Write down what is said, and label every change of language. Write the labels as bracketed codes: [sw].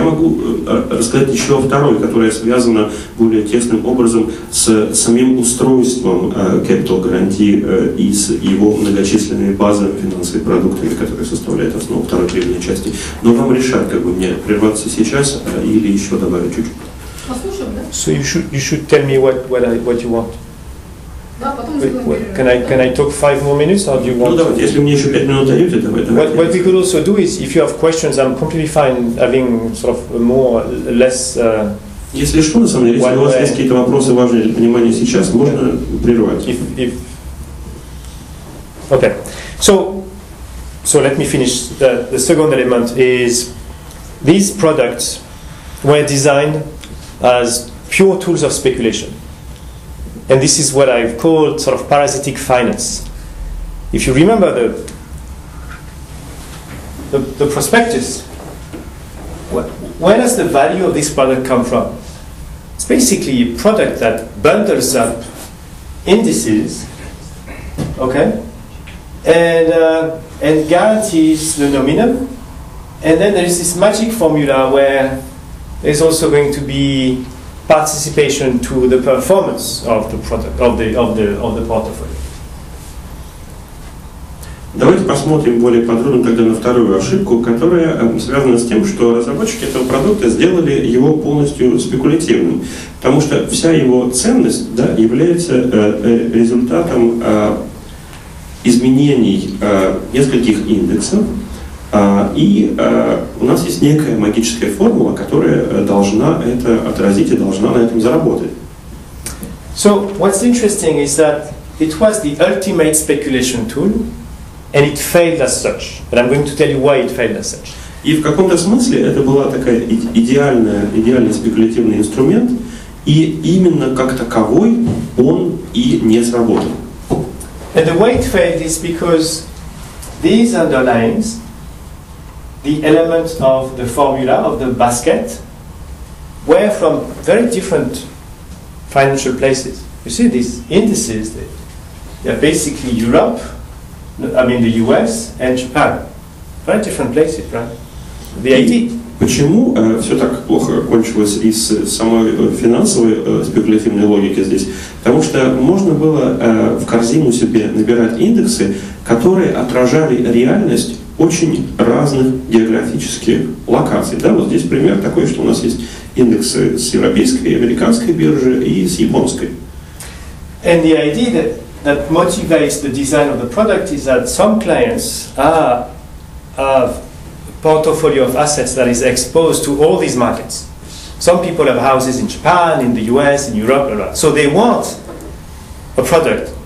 [ru] Я могу рассказать еще о второй, которая связана более тесным образом с самим устройством Capital Guarantee и с его многочисленными базовыми финансовыми продуктами, которые составляют основу второй древней части. Но вам решать, как бы мне прерваться сейчас или еще добавить чуть-чуть. [en] So you should tell me what you want. Can I talk 5 more minutes or do you want? [ru] Ну давайте, если мне еще 5 минут даете, давайте. [en] What we could also do is, if you have questions, I'm completely fine having sort of more less. [ru] Если что, на самом деле, если у вас есть какие-то вопросы важные для понимания сейчас, можно прервать. [en] If okay, so let me finish. The second element is these products were designed as pure tools of speculation. And this is what I've called sort of parasitic finance. If you remember the prospectus, where does the value of this product come from? It's basically a product that bundles up indices, okay, and guarantees the nominum. And then there is this magic formula where there's also going to be participation to the performance of the product, of the portfolio. [ru] Давайте посмотрим более подробно тогда на вторую ошибку, которая связана с тем, что разработчики этого продукта сделали его полностью спекулятивным, потому что вся его ценность, да, является результатом изменений нескольких индексов. У нас есть некая магическая формула, которая должна это отразить и должна на этом заработать. [en] So what's interesting is that it was the ultimate speculation tool, and it failed as such. But I'm going to tell you why it failed as such. [ru] И в каком-то смысле это была такая идеальный спекулятивный инструмент, и именно как таковой он и не сработал. [en] And the way it failed is because these underlyings, the elements of the formula, of the basket, were from very different financial places. You see these indices, they are basically Europe, the US and Japan. Very different places, right? The idea. [ru] Почему все так плохо кончилось из самой финансовой спекулятивной логики здесь? Потому что можно было в корзину себе набирать индексы, которые отражали реальность очень разных географических локаций. Да, вот здесь пример такой, что у нас есть индексы с европейской, американской биржи и с японской. [en] And the idea that motivates the design of the product is that some clients have a portfolio of assets that is exposed to all these markets. Some people have houses in Japan, in the US, in Europe, and so they want a product